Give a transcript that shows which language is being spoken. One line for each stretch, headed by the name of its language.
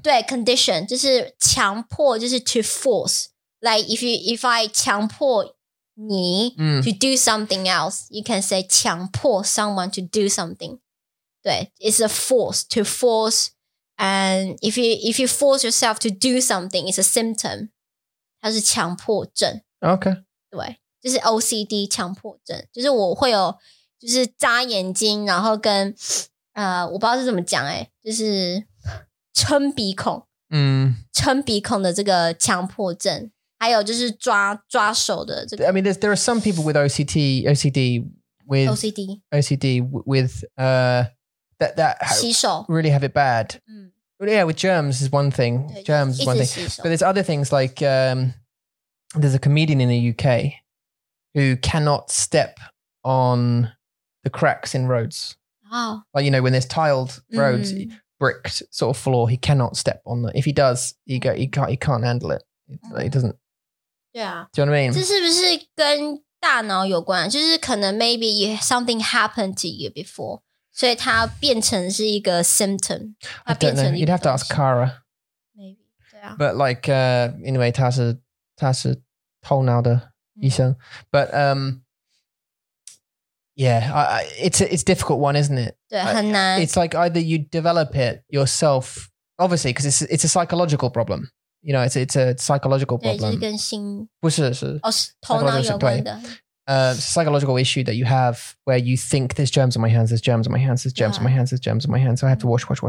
Chinese: 对 ，condition 就是强迫，就是 to force，
English: like if I
Chinese: 强迫你
English: to do something else， you can say
Chinese: 强迫
English: someone to do something，
Chinese: 对 ，
English: it's a force to force。 And if you force yourself to do something, it's a symptom.
Chinese: 它是强迫症.
English: Okay.
Chinese: 对，就是OCD 强迫症，就是我会有就是眨眼睛， 然后跟, 我不知道是怎么讲，就是撑鼻孔， 撑鼻孔的这个强迫症， 还有就是抓手的这个。
English: I mean, there are some people with OCD, OCD with OCD OCD with that
Chinese: ,洗手.
English: Really have it bad. Well, yeah, with germs is one thing. Germs is one thing. But there's other things like there's a comedian in the UK who cannot step on the cracks in roads. Oh. Like, you know, when there's tiled roads, bricked sort of floor, he cannot step on that. If he does, he can't handle it. Like, he doesn't. Yeah. Do you know what I mean?
Chinese: 这是不是跟大脑有关?就是可能
English: maybe something happened to you before.
Chinese: 所以它变成是一个 symptom.
English: I don't know. You'd have to ask Kara. Maybe. But like, anyway,
Chinese: 他是头脑的医生.
English: But it's a difficult one, isn't it?
Chinese: 对，很难.
English: It's like either you develop it yourself, obviously, because it's a psychological problem. You know, it's a psychological problem.
Chinese: 对，就是跟心不是头脑有关的。
English: Psychological issue that you have where you think there's germs on my hands, there's germs on my hands, there's germs on my hands, there's germs on my hands. So I have to wash.